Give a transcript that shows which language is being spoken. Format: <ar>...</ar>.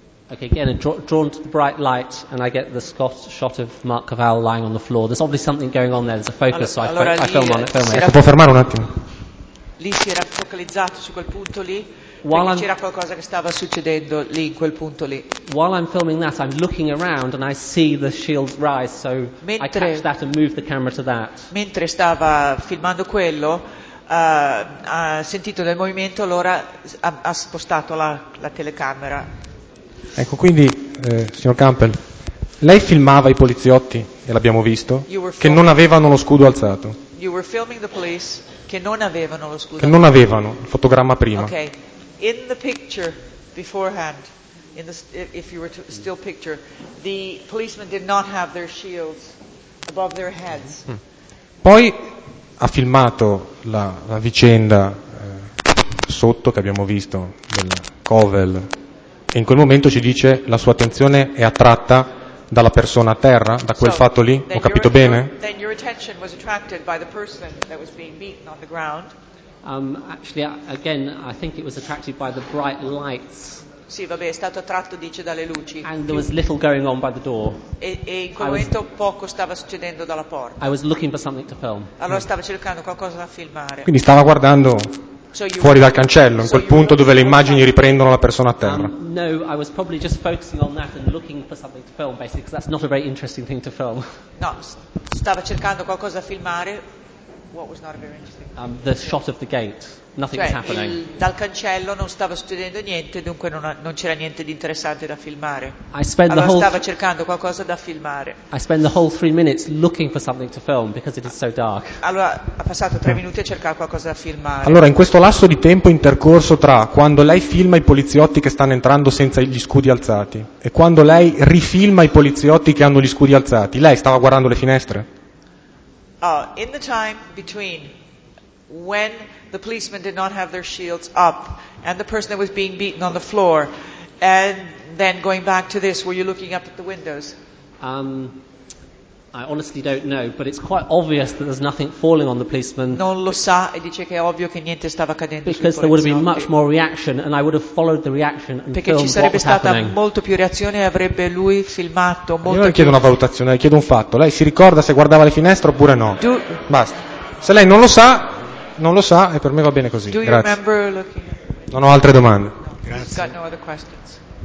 <en>Okay, again, drawn to the bright light, and I get the shot of Mark Cavall lying on the floor. There's obviously something going on there. There's a focus, I film on it.</en> <it>Ecco, può fermare un attimo. Lì si era focalizzato su quel punto lì. While c'era qualcosa che stava succedendo lì in quel punto lì.</it> <en>While I'm filming that, I'm looking around and I see the shield rise, so</en> <it>mentre,</it> <en>I catch that and move the camera to that.</en> <it>Mentre stava filmando quello, ha sentito del movimento, allora ha spostato la telecamera. Ecco, quindi, signor Campbell, lei filmava i poliziotti, e l'abbiamo visto, che non avevano lo scudo alzato.</it> <en>You were filming the police</en> <it>che non avevano lo scudo che non avevano, il fotogramma prima.</it> <en>Okay, in the picture beforehand, if you were to still picture, the policemen did not have their shields above their heads.</en> <it>Poi ha filmato la vicenda sotto, che abbiamo visto, del Covell. In quel momento ci dice la sua attenzione è attratta dalla persona a terra, da quel fatto lì, ho capito bene?</it> <en>Then your attention was attracted by the person that was being beaten on the ground. Actually, again, I think it was attracted by the bright lights.</en> <it>Sì, vabbè, è stato attratto, dice, dalle luci.</it> <en>And there was little going on by the door.</en> <it>E in quel momento poco stava succedendo dalla porta.</it> <en>I was looking for something to film.</en> <it>Allora stava cercando qualcosa da filmare. Quindi stava guardando fuori dal cancello, in quel punto dove le immagini riprendono la persona a terra.</it> <en>No, I was probably just focusing on that and looking for something to film, basically, because that's not a very interesting thing to film.</en> <it>No, stava cercando qualcosa da filmare.</it> <en>What was not very interesting? The shot of the gate. Nothing was happening.</en> <it>Dal cancello non stava succedendo niente, dunque non c'era niente di interessante da filmare.</it> <en>I spent the whole</en> <it>stava cercando qualcosa da filmare.</it> <en>I spent the whole 3 minutes looking for something to film because it is so dark.</en> <it>Allora ha passato 3 minuti a cercare qualcosa da filmare. Allora in questo lasso di tempo intercorso tra quando lei filma i poliziotti che stanno entrando senza gli scudi alzati e quando lei rifilma i poliziotti che hanno gli scudi alzati, lei stava guardando le finestre?</it> <en>In the time between when the policemen did not have their shields up and the person that was being beaten on the floor and then going back to this, were you looking up at the windows? I honestly don't know, but it's quite obvious that there's nothing falling on the policeman.</en> <it>Non lo sa, e dice che è ovvio che niente stava cadendo.</it> <en>Because there would have been much more reaction, and I would have followed the reaction and filmed what was happening.</en> <it>Perché ci sarebbe stata molto più reazione e avrebbe lui filmato molto. Io non chiedo una valutazione, le chiedo un fatto. Lei si ricorda se guardava le finestre oppure no? Basta. Se lei non lo sa, non lo sa, e per me va bene così.</it> <en>Do</en> <it>grazie.</it> <en>You remember looking?</en> <it>Non ho altre domande.</it> <en>No.</en> <it>Grazie.</it> <en>Got no other questions.</en>